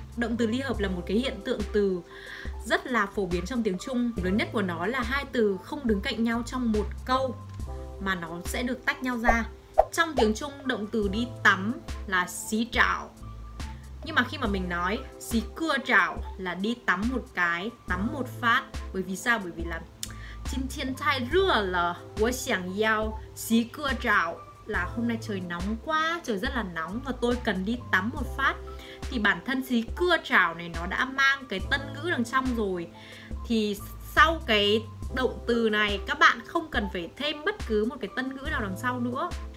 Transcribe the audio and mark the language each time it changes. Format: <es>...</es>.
<vi>Động từ ly hợp là một cái hiện tượng từ rất là phổ biến trong tiếng Trung. Lớn nhất của nó là hai từ không đứng cạnh nhau trong một câu, mà nó sẽ được tách nhau ra. Trong tiếng Trung, động từ đi tắm là xí trào. Nhưng mà khi mà mình nói xí cưa trào là đi tắm một cái, tắm một phát. Bởi vì sao? Bởi vì là</vi> <zh>今天太热了，我想要洗个澡.</zh> <vi>Là hôm nay trời nóng quá, trời rất là nóng và tôi cần đi tắm một phát. Thì bản thân xí cưa trào này nó đã mang cái tân ngữ đằng trong rồi. Thì sau cái động từ này các bạn không cần phải thêm bất cứ một cái tân ngữ nào đằng sau nữa.</vi>